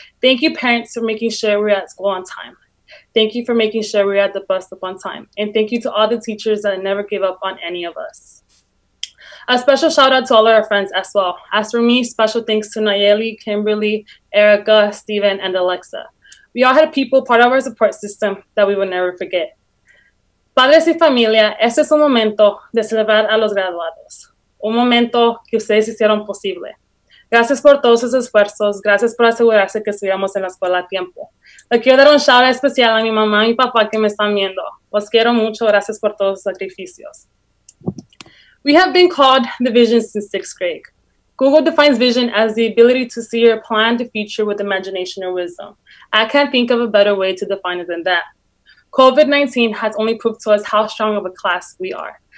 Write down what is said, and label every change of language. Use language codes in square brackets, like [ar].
[en] Thank you, parents, for making sure we're at school on time. Thank you for making sure we're at the bus stop on time. And thank you to all the teachers that never gave up on any of us. A special shout out to all our friends as well. As for me, special thanks to Nayeli, Kimberly, Erica, Steven, and Alexa. We all had people part of our support system that we will never forget. [es] Padres y familia, este es un momento de celebrar a los graduados. Un momento que ustedes hicieron posible. Gracias por todos sus esfuerzos. Gracias por asegurarse que estuviéramos en la escuela a tiempo. Le quiero dar un shout out especial a mi mamá y papá que me están viendo. Los quiero mucho. Gracias por todos sus sacrificios. [en] We have been called the vision since sixth grade. Google defines vision as the ability to see or plan the future with imagination or wisdom. I can't think of a better way to define it than that. COVID-19 has only proved to us how strong of a class we are.